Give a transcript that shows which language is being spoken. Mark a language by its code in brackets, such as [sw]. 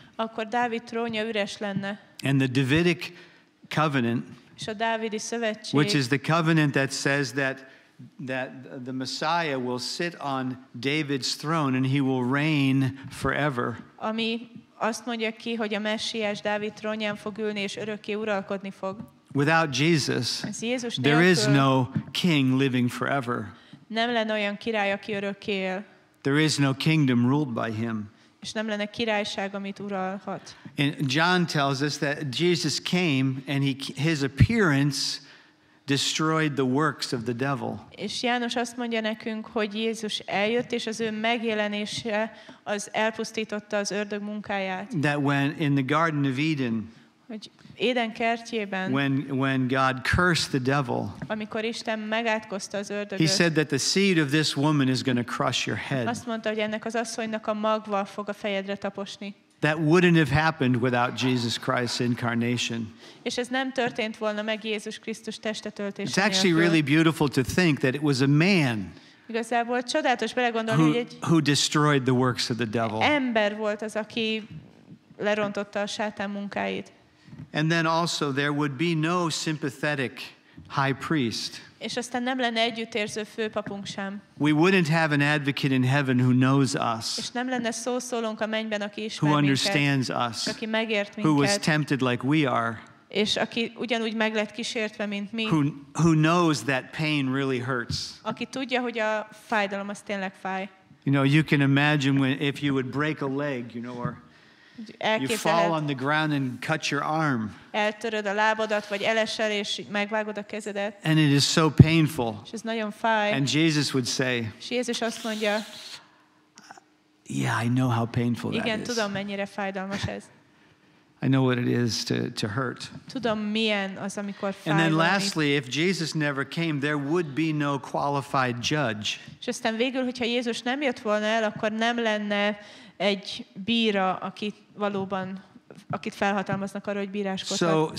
[hu] Akkor Dávid trónja üres lenne. [en] And the Davidic covenant, [hu] és a dávidi szövetség, [en] which is the covenant that says that the Messiah will sit on David's throne and he will reign forever. [hu] Ami azt mondja ki, hogy a Messiás Dávid trónján fog ülni és örökké uralkodni fog. [en] Without Jesus, [hu] Jézus nélkül, [en] there is no king living forever. [hu] Nem lenne olyan király, aki örökké él. [en] There is no kingdom ruled by him. [hu] És nem lenne királyság, amit uralhat. [en] And John tells us that Jesus came and his appearance destroyed the works of the devil. [hu] És János azt mondja nekünk, hogy Jézus eljött, és az ő megjelenése az elpusztította az ördög munkáját. [en] That when in the Garden of Eden, [hu] hogy Éden kertjében, [en] when God cursed the devil, [hu] amikor Isten megátkozta az ördögöt, [en] he said that the seed of this woman is going to crush your head. [hu] Azt mondta, hogy ennek az asszonynak a magva fog a fejedre taposni. [en] That wouldn't have happened without Jesus Christ's incarnation. [hu] És ez nem történt volna meg Jézus Krisztus testetöltése nélkül. [en] It's actually really beautiful to think that it was a man who destroyed the works of the devil. [hu] Ember volt az, aki lerontotta a sátán munkáit. [en] And then also there would be no sympathetic high priest. [hu] És aztán nem lenne együttérző főpapunk sem. [en] We wouldn't have an advocate in heaven who knows us. [hu] És nem lenne szószólónk a mennyben, aki ismer minket. [en] Who understands us. [hu] Aki megért minket. [en] Who was tempted like we are. [hu] És aki ugyanúgy meg lett kísértve, mint mi. [en] Who knows that pain really hurts. [hu] Aki tudja, hogy a fájdalom az tényleg fáj. [en] You know, you can imagine when if you would break a leg, you know, or you fall on the ground and cut your arm. [hu] Eltöröd a lábadat, vagy elesel, és megvágod a kezedet. [en] And it is so painful. [hu] És ez nagyon fáj. [en] And Jesus would say, [hu] Jézus azt mondja, [en] yeah, I know how painful [hu] igen, [en] that [hu] tudom, [en] is. [hu] Mennyire fájdalmas ez. [en] I know what it is to hurt. [hu] Tudom, milyen az, amikor fáj. [en] And then lastly, if Jesus never came, there would be no qualified judge. [hu] És aztán végül, hogyha Jézus nem jött volna el, akkor nem lenne egy bíra, akit valóban, akit felhatalmaznak arra, hogy bíráskodhat.